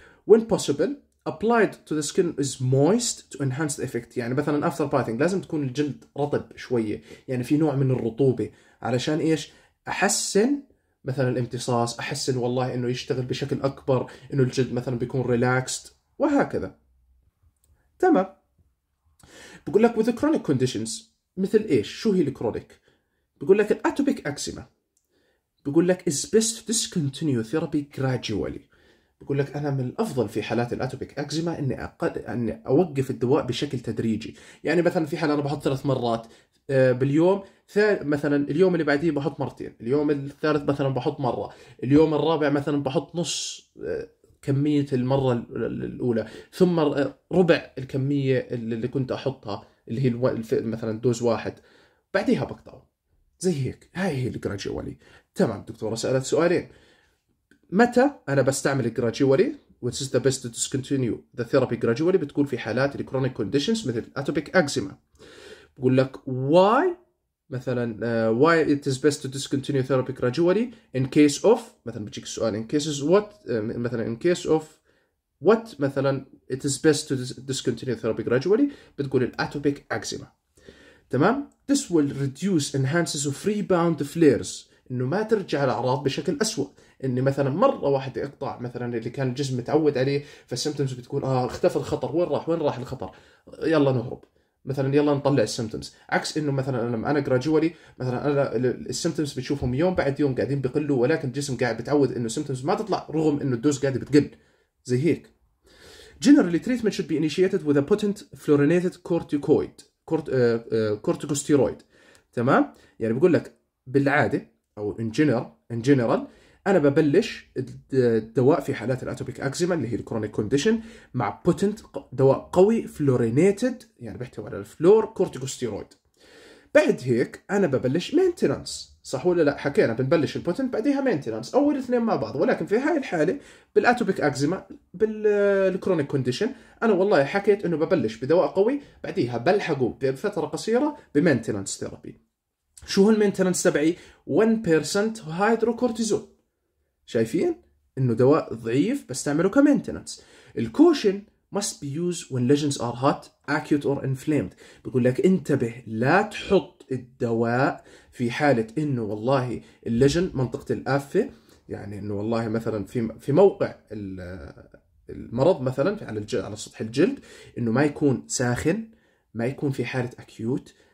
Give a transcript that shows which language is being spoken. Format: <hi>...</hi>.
<en>when possible applied to the skin is moist to enhance the effect،</en> <ar>يعني مثلا</ar> <en>after bathing</en> <ar>لازم تكون الجلد رطب شويه، يعني في نوع من الرطوبه، علشان ايش؟ احسن مثلا الامتصاص، احسن والله انه يشتغل بشكل اكبر، انه الجلد مثلا بيكون ريلاكست، وهكذا. تمام. بقول لك</ar> <en>with the chronic conditions</en> <ar>مثل إيش؟ شو هي الكرونيك؟ بقول لك الأتوبيك أكسيما. بقول لك</ar> <en>is best to discontinue therapy gradually.</en> <ar>بقول لك أنا من الأفضل في حالات الأتوبيك أكسيما إني أني أوقف الدواء بشكل تدريجي. يعني مثلا في حال أنا بحط 3 مرات باليوم، مثلا اليوم اللي بعديه بحط 2، اليوم الثالث مثلا بحط مرة، اليوم الرابع مثلا بحط نص كمية المرة الأولى، ثم ربع الكمية اللي كنت أحطها اللي هي مثلا دوز واحد، بعديها بقطع زي هيك. هاي هي الجراجيولي. تمام دكتورة، سألت سؤالين. متى أنا بستعمل الجراجيولي؟</ar> <en>which is the best to discontinue the therapy gradually،</en> <ar>بتقول في حالات الكرونيك كونديشنز مثل atopic eczema.</ar> <en>بقول لك why مثلا why it is best to discontinue therapy gradually in case of،</en> <ar>مثلا بيجيك السؤال</ar> <en>in cases what، مثلا in case of what مثلا it is best to discontinue therapy gradually،</en> <ar>بتقول الاتوبيك اكزيما. تمام.</ar> <en>this will reduce enhances of rebound flares،</en> <ar>انه ما ترجع الاعراض بشكل أسوأ. اني مثلا مره واحده اقطع مثلا اللي كان الجسم متعود عليه، فالسيمتومز بتكون اختفى الخطر، وين راح، وين راح الخطر، يلا نهرب مثلا، يلا نطلع السيمتومز. عكس انه مثلا لما انا جراجولي مثلا انا السيمتومز بتشوفهم يوم بعد يوم قاعدين بيقلوا، ولكن الجسم قاعد بتعود انه السيمتومز ما تطلع رغم انه الدوز قاعد بتقل زي هيك.</ar> <en>generally treatment should be initiated with a potent fluorinated corticoid corticosteroid.</en> <ar>تمام. يعني بقول لك بالعاده او</ar> <en>in general</en> <ar>انا ببلش الدواء في حالات الاتوبيك اكزيما اللي هي الكرونيك كونديشن مع بوتنت، دواء قوي فلورينيتد، يعني بيحتوي على الفلور كورتيكوستيرويد. بعد هيك انا ببلش مينتيننس، صح ولا لا؟ حكينا بنبلش البوتنت بعديها مينتيننس، اول اثنين مع بعض. ولكن في هاي الحاله بالاتوبيك اكزيما بالكرونيك كونديشن، انا والله حكيت انه ببلش بدواء قوي بعديها بلحقه بفتره قصيره بمينتيننس ثيرابي. شو هو المينتيننس تبعي؟ 1% هيدروكورتيزون. شايفين انه دواء ضعيف بستعمله كمينتيننس.</ar> <en>الكوشن must be used when lesions are hot, acute or inflamed.</en> <ar>بقول لك انتبه لا تحط الدواء في حاله انه والله اللجن منطقه الافه، يعني انه والله مثلا في موقع المرض مثلا على الجلد، على سطح الجلد، انه ما يكون ساخن، ما يكون في حاله اكيوت.</ar>